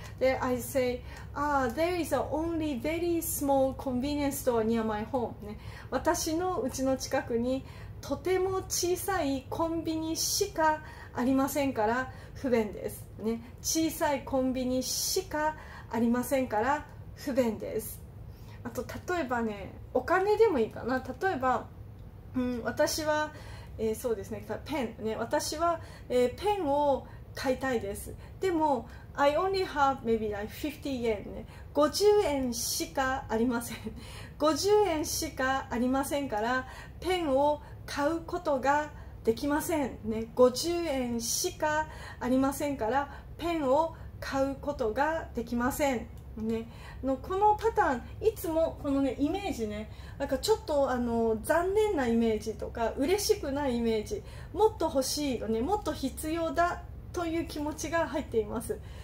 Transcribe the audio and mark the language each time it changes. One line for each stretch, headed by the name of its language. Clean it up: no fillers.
Japanese: で I say、ah,
English: There is a only very small convenience store near my home、
Japanese: ね、私のうちの近くにとても小さいコンビニしかありませんから不便です、ね、小さいコンビニしかありませんから不便です。あと例えばね、お金でもいいかな。例えば、うん、私はそうですね、ペンね、私は、ペンを買いたいです。
English: でも I only have maybe like 50 yen、ね、
Japanese: 50円しかありません。 50円しかありませんからペンを買うことができません、ね、50円しかありませんからペンを買うことができません、ね、のこのパターンいつもこの、ね、イメージね、なんかちょっと残念なイメージとか嬉しくないイメージ、もっと欲しいよね、もっと必要だという気持ちが入っています。